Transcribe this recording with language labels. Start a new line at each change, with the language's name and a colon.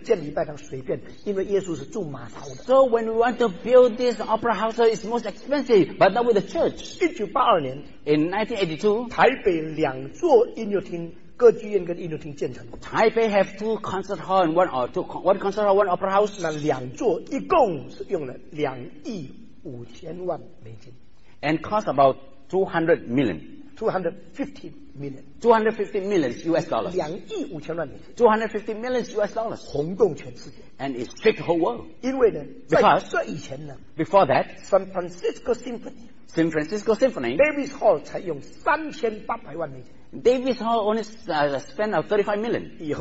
Chinese: 现在我们要建音乐厅，建到世界最贵的，建礼拜堂随便，因为耶稣是住马槽的。
English: So when we want to build this opera house, it's most expensive, but not with the church.
Chinese: 1982年,
English: in 1982,
Chinese: 台北两座音乐厅。歌剧院跟音乐厅建成。
English: Taipei have two concert hall and one or two, one concert hall, one opera house.
Chinese: 那两座一共是用了2.5亿美金。
English: And cost about 200 million. 250 million. 250 million US dollars.
Chinese: 2.5亿美金。
English: 250 million US dollars.
Chinese: 轰动全世界。
English: And it shook the whole world.
Chinese: 因为呢,
English: because
Chinese: 在这以前呢,
English: before that, San Francisco Symphony. San Francisco Symphony.
Chinese: Davis Hall 才用3800万美金。
English: Davis Hall only spent 35 million.